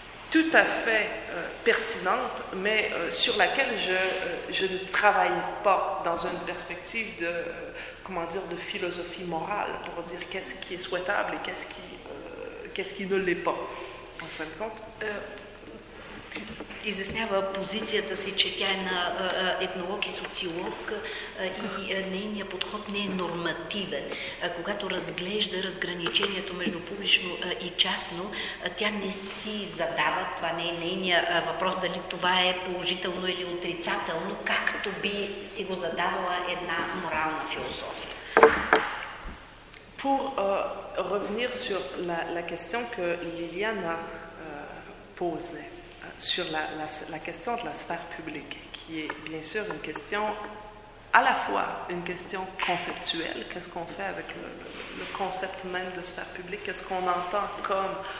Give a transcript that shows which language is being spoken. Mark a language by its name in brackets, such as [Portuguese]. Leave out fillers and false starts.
[French] tout à fait pertinente, mais sur laquelle je ne travaille pas dans une perspective de, comment dire, de philosophie morale, pour dire qu'est-ce qui est souhaitable et qu'est-ce qui ne l'est pas, en fin de compte. [Bulgarian] Изяснява позицията си, че тя е на етнолог и социолог и нейният подход не е нормативен. Когато разглежда разграничението между публично и частно, тя не си задава, това не е нейният въпрос, дали това е положително или отрицателно, както би си го задавала една морална философия. [French] Pour revenir sur la question que Liliana posait, sur la question de la sphère publique, qui est bien sûr une question à la fois une question conceptuelle, qu'est-ce qu'on fait avec le concept même de sphère publique, qu'est-ce qu'on entend comme